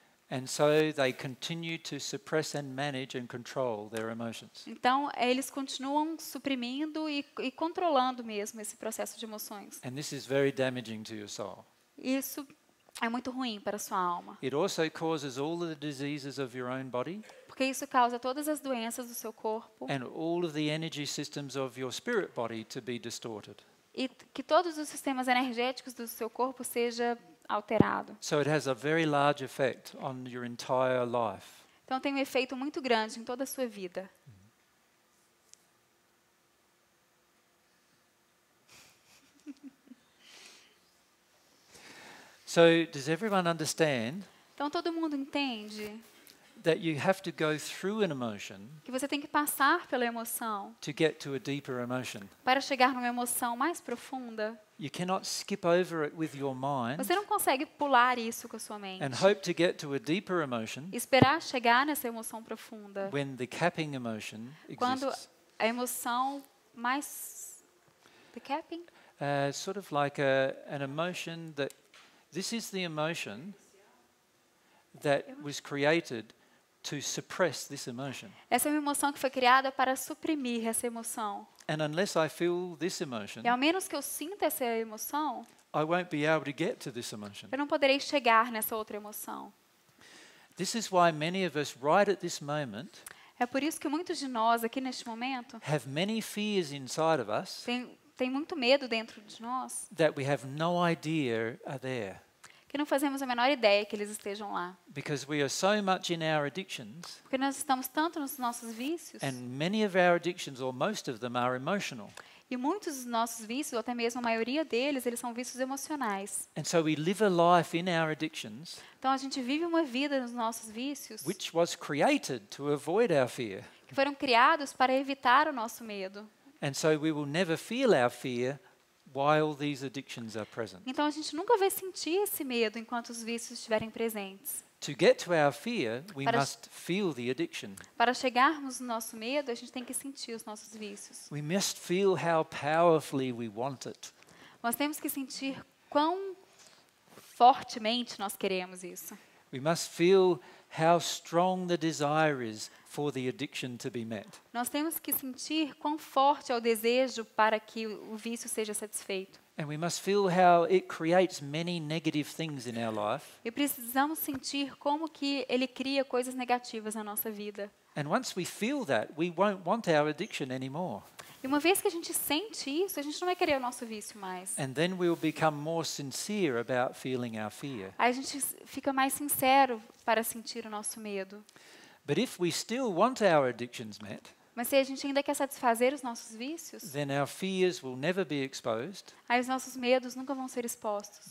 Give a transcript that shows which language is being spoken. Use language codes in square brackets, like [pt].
[en] And so they continue to suppress and manage and control their emotions. [pt] Então, eles continuam suprimindo e controlando mesmo esse processo de emoções. [en] And this is very damaging to your soul. [pt] Isso é muito ruim para a sua alma. [en] It also causes all of the diseases of your own body. [pt] Porque isso causa todas as doenças do seu corpo. [en] And all of the energy systems of your spirit body to be distorted. [pt] E que todos os sistemas energéticos do seu corpo seja alterado. [en] So it has a very large effect on your entire life. [pt] Então tem um efeito muito grande em toda a sua vida. [en] So does everyone understand? [pt] Então todo mundo entende? [en] That you have to go through an emotion. [pt] Que você tem que passar pela emoção. [en] To get to a deeper emotion. [pt] Para chegar numa emoção mais profunda. [en] You cannot skip over it with your mind. [pt] Você não consegue pular isso com a sua mente. [en] And hope to get to a deeper emotion. [pt] E esperar chegar nessa emoção profunda. [en] When the capping emotion exists. [pt] Quando a emoção mais [en] the capping? Sort of like an emotion that this is the emotion that was created to suppress this emotion. [pt] Essa é uma emoção que foi criada para suprimir essa emoção. [en] And unless I feel this emotion, [pt] e ao menos que eu sinta essa emoção, [en] I won't be able to get to this emotion. [pt] Eu não poderei chegar nessa outra emoção. [en] This is why many of us right at this moment, [pt] é por isso que muitos de nós aqui neste momento, [en] have many fears inside of us, [pt] tem muito medo dentro de nós, [en] that we have no idea are there. [pt] Que não fazemos a menor ideia que eles estejam lá. [en] Because we are so much in our addictions. [pt] Porque nós estamos tanto nos nossos vícios. [en] And many of our addictions, or most of them, are emotional. [pt] E muitos dos nossos vícios, ou até mesmo a maioria deles, eles são vícios emocionais. [en] And so we live a life in our addictions. [pt] Então a gente vive uma vida nos nossos vícios. [en] Which was created to avoid our fear. [pt] Que foram criados para evitar o nosso medo. [en] And so we will never feel our fear. While these addictions are present. [pt] Então a gente nunca vai sentir esse medo enquanto os vícios estiverem presentes. [en] To get to our fear, we must feel the addiction. [pt] Para chegarmos no nosso medo, a gente tem que sentir os nossos vícios. [en] We must feel how powerfully we want it. [pt] Nós temos que sentir quão fortemente nós queremos isso. [en] We must feel how strong the desire is for the addiction to be met. [pt] Nós temos que sentir quão forte é o desejo para que o vício seja satisfeito. [en] And we must feel how it creates many negative things in our life. [pt] E precisamos sentir como que ele cria coisas negativas na nossa vida. [en] And once we feel that, we won't want our addiction anymore. [pt] E uma vez que a gente sente isso, a gente não vai querer o nosso vício mais. [en] And then we'll become more sincere about feeling our fear. [pt] A gente fica mais sincero para sentir o nosso medo. [en] But if we still want our addictions met, [pt] mas se a gente ainda quer satisfazer os nossos vícios, [en] then our fears will never be exposed, [pt] aí os nossos medos nunca vão ser expostos.